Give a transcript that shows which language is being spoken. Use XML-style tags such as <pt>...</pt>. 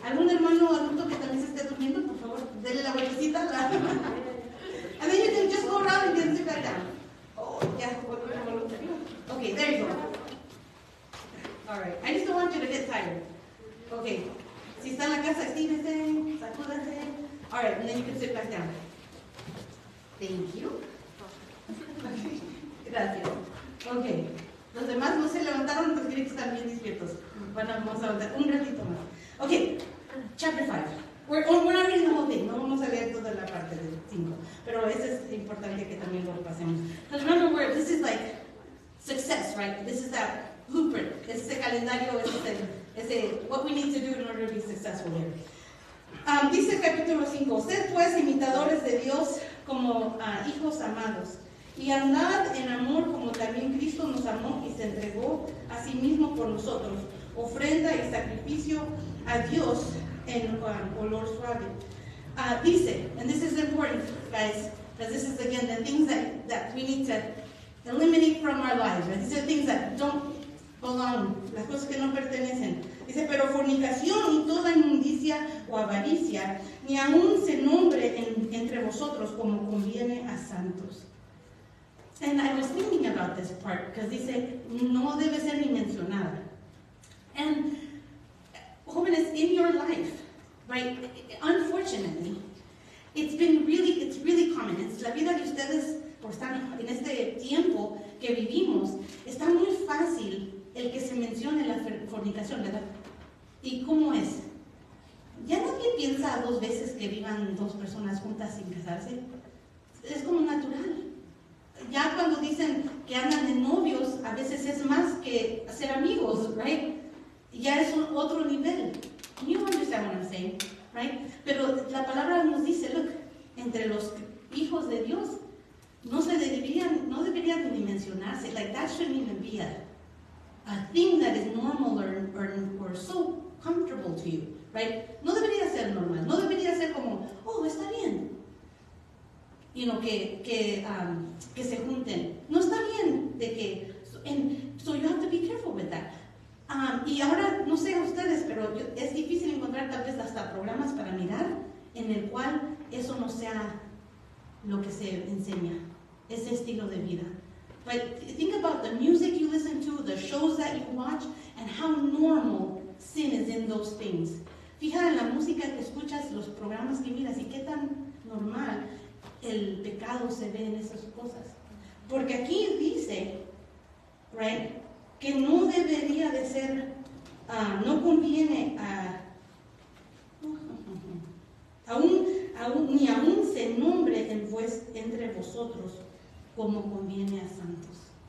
<es>¿Algún hermano adulto que también se esté durmiendo, por favor, dele la vueltecita?</es> <en>And then you can just go around and then sit back down. Oh, yeah. Okay, there you go. Alright, I just don't want you to get tired. Okay.</en> <es>Si está en la casa, estírese, sacúdase.</es> <en>Alright, and then you can sit back down. Thank you. Gracias. Okay.</en> <es>Los demás no se levantaron, los gritos están bien despiertos. Vamos a aguantar un ratito más.</es> <en>Okay, chapter 5. We're not reading the whole thing.</en> <es>No vamos a leer toda la parte del 5. Pero eso es importante que también lo pasemos.</es> <en>Because remember, this is like success, right? This is that blueprint.</en> <es>Es ese calendario, es</es> <en>what we need to do in order to be successful here.</en> <es>Dice el capítulo 5. Sed pues imitadores de Dios como hijos amados. Y andad en amor como también Cristo nos amó y se entregó a sí mismo por nosotros. Ofrenda y sacrificio a Dios en olor suave.</es> <en>Dice, and this is important, guys, because this is, again, the things that we need to eliminate from our lives. Right? These are things that don't belong,</en> <es>las cosas que no pertenecen. Dice, pero fornicación y toda inmundicia o avaricia, ni aun se nombre entre vosotros como conviene a santos.</es> <en>And I was thinking about this part, because</en> <es>dice, no debe ser ni mencionada.</es> <en>And jóvenes, in your life, right, unfortunately, it's really common.</en> <es>It's la vida de ustedes, por estar en este tiempo que vivimos, está muy fácil el que se mencione la fornicación, ¿verdad? ¿Y cómo es? ¿Ya nadie piensa dos veces que vivan dos personas juntas sin casarse? Es como natural. Ya cuando dicen que andan de novios, a veces es más que ser amigos,</es> <en>right?</en> <es>Ya es otro nivel.</es> <en>You understand what I'm saying, right?</en> <es>Pero la palabra nos dice, look, entre los hijos de Dios, no deberían ni mencionarse.</es> <en>Like, that shouldn't even be a thing that is normal or so comfortable to you, right?</en> <es>No debería ser normal. No debería ser como, oh, está bien.</es> <en>You know,</en> <es>que se junten. No está bien de que,</es> <en>so you have to be careful with that.</en> <es>Y ahora, no sé a ustedes, pero es difícil encontrar tal vez hasta programas para mirar en el cual eso no sea lo que se enseña, ese estilo de vida.</es> <en>But think about the music you listen to, the shows that you watch, and how normal sin is in those things.</en> <es>Fija en la música que escuchas, los programas que miras, y qué tan normal el pecado se ve en esas cosas. Porque aquí dice, right, que no debería de ser, no conviene ni aún se nombre entre vosotros como conviene a santos.</es>